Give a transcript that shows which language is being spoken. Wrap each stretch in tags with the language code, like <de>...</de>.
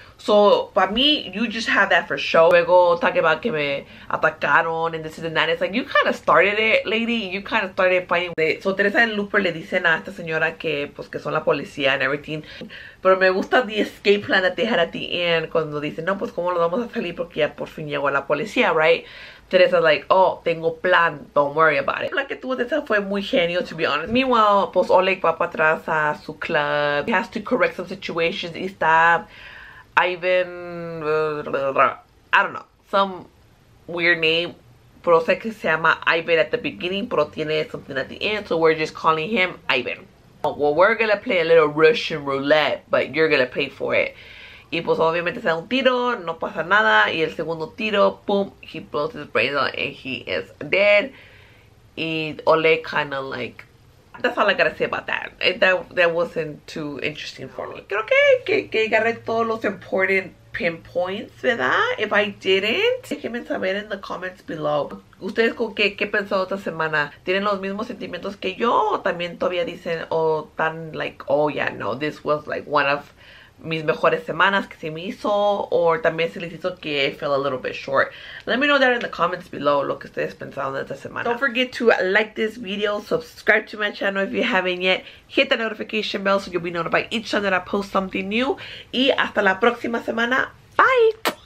<en>So, for me, you just have that for show. Luego, talk about</en> <es>que me atacaron</es> <en>and this and that. It's like, you kind of started it, lady. You kind of started fighting. So, Teresa and Looper</en> <es>le dicen a esta señora que, pues, que son la policía</es> <en>and everything.</en> <es>Pero me gusta</es> <en>the escape plan that they had at the end.</en> <es>Cuando dicen, no, pues, ¿cómo lo vamos a salir? Porque ya por fin llegó la policía, right?</es> <en>Teresa's like, oh,</en> <es>tengo plan.</es> <en>Don't worry about it.</en> <es>La que tuvo Teresa fue muy genio,</es> <en>to be honest.</en> <es>Meanwhile, pues, Oleg va para atrás a su club.</es> <en>He has to correct some situations.</en> <es>Y está...</es> <en>Ivan, I don't know, some weird name,</en> <es>pero sé que se llama Ivan</es> <en>at the beginning,</en> <es>pero tiene</es> <en>something at the end, so we're just calling him Ivan. Well, we're gonna play a little Russian roulette, but you're gonna pay for it.</en> <es>Y pues obviamente se da un tiro, no pasa nada, y el segundo tiro, boom,</es> <en>he blows his brains out and he is dead. Y Ole kind of like... That's all I gotta say about that. That wasn't too interesting for me.</en> <es>Creo que agarré todos los</es> <en>important pinpoints,</en> <es>¿verdad?</es> <en>If I didn't,</en> <es>déjenme saber</es> <en>in the comments below.</en> <es>¿Ustedes con qué pensaron esta semana? ¿Tienen los mismos sentimientos que yo? ¿O también todavía dicen, tan</es> <en>like, oh yeah,</en> <es>no,</es> <en>this was like one of</en> <es>mis mejores semanas que se me hizo? ¿O también se les hizo que</es> <en>I felt a little bit short? Let me know that in the comments below,</en> <es>lo que ustedes pensaron de esta semana.</es> <en>Don't forget to like this video, subscribe to my channel if you haven't yet, hit the notification bell so you'll be notified each time that I post something new,</en> <es>y hasta la próxima semana.</es> <en>Bye.</en>